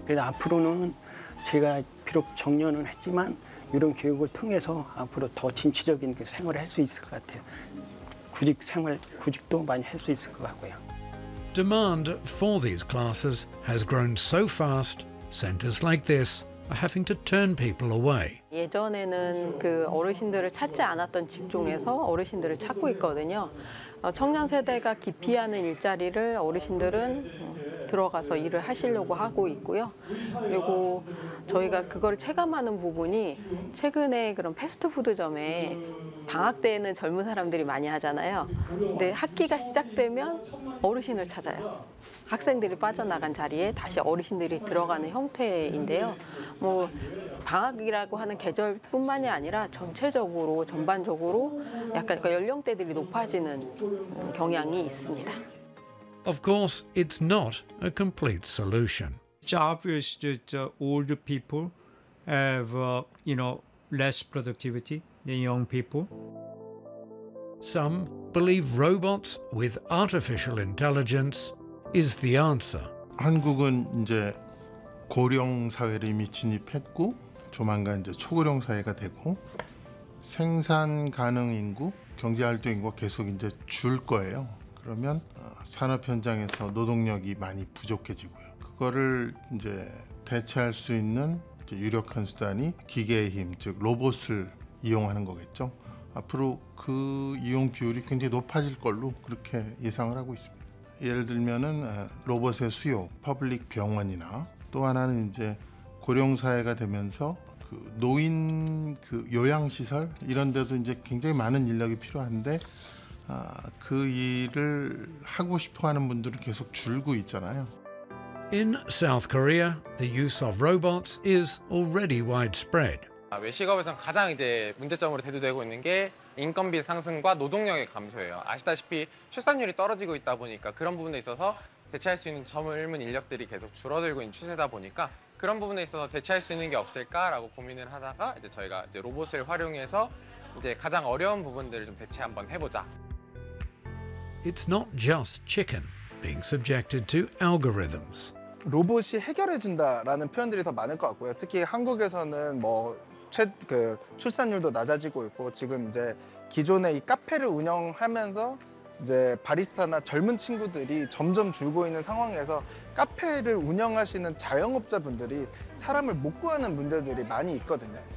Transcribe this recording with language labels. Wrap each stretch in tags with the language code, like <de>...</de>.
<ko>앞으로는 제가 비록 정년은 했지만 이런 교육을 통해서 앞으로 더 진취적인 그 생활을 할 수 있을 것 같아요. 구직 생활 구직도 많이 할 수 있을 것 같고요.</ko> <en>Demand for these classes has grown so fast. Centers like this are having to turn people away.</en> <ko>예전에는 그 어르신들을 찾지 않았던 직종에서 어르신들을 찾고 있거든요. 청년 세대가 기피하는 일자리를 어르신들은 들어가서 일을 하시려고 하고 있고요. 그리고 저희가 그걸 체감하는 부분이 최근에 그런 패스트푸드점에 방학 때에는 젊은 사람들이 많이 하잖아요. 근데 학기가 시작되면 어르신을 찾아요. 학생들이 빠져나간 자리에 다시 어르신들이 들어가는 형태인데요. 뭐 방학이라고 하는 계절뿐만이 아니라 전체적으로 전반적으로 약간 그 연령대들이 높아지는 경향이 있습니다.</ko> <en>Of course, it's not a complete solution. It's obvious that older people have, you know, less productivity than young people. Some believe robots with artificial intelligence is the answer.</en> <ko>한국은 이제 고령 사회를 이미 진입했고 조만간 이제 초고령 사회가 되고 생산 가능 인구, 경제 활동 인구가 계속 이제 줄 거예요. 그러면 산업 현장에서 노동력이 많이 부족해지고요. 그거를 이제 대체할 수 있는 이제 유력한 수단이 기계의 힘, 즉 로봇을 이용하는 거겠죠. 앞으로 그 이용 비율이 굉장히 높아질 걸로 그렇게 예상을 하고 있습니다. 예를 들면은 로봇의 수요, 퍼블릭 병원이나 또 하나는 이제 고령 사회가 되면서 그 노인 그 요양 시설 이런 데도 이제 굉장히 많은 인력이 필요한데 그 일을 하고 싶어 하는 분들은 계속 줄고 있잖아요.</ko> <en>In South Korea, the use of robots is already widespread.</en> <ko>외식업에서 가장 이제 문제점으로 대두되고 있는 게 인건비 상승과 노동력의 감소예요. 아시다시피 출산율이 떨어지고 있다 보니까 그런 부분에 있어서 대체할 수 있는 젊은 인력들이 계속 줄어들고 있는 추세다 보니까 그런 부분에 있어서 대체할 수 있는 게 없을까라고 고민을 하다가 이제 저희가 이제 로봇을 활용해서 이제 가장 어려운 부분들을 좀 대체 한번 해보자.</ko> <en>It's not just chicken being subjected to algorithms.</en> <ko>로봇이 해결해 준다라는 표현들이 더 많을 것 같고요. 특히 한국에서는 뭐 그 출산율도 낮아지고 있고 지금 이제 기존의 이 카페를 운영하면서 이제 바리스타나 젊은 친구들이 점점 줄고 있는 상황에서 카페를 운영하시는 자영업자분들이 사람을 못 구하는 문제들이 많이 있거든요.</ko>